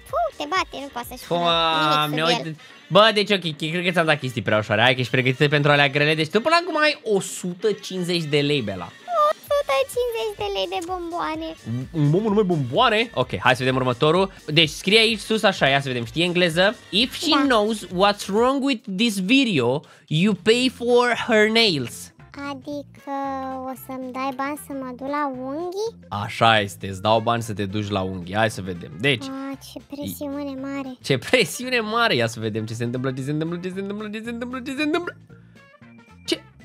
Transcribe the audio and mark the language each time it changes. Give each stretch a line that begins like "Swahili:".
Romanian: Puh, te bate, nu poate să-și pună nimic sub el. Bă, deci ok, cred că ți-am dat chestii prea ușoare. Hai că ești pregătită pentru alea grele. Deci tu până acum ai 150 de lei, Bela. 150 de lei de bomboane. Mamă, numai bomboane? Ok, hai să vedem următorul. Deci scrie aici sus așa, ia să vedem, știi engleză?
English: If she knows what's wrong with this video, you pay for her nails.
Romanian: Adică o să-mi dai bani să mă duc la unghii? Așa este, îți dau bani să te duci la unghii. Hai să vedem. Deci, ce presiune mare. Ce presiune mare. Ia să vedem ce se întâmplă, ce se întâmplă, ce se întâmplă, ce se întâmplă, ce se întâmplă. Ce?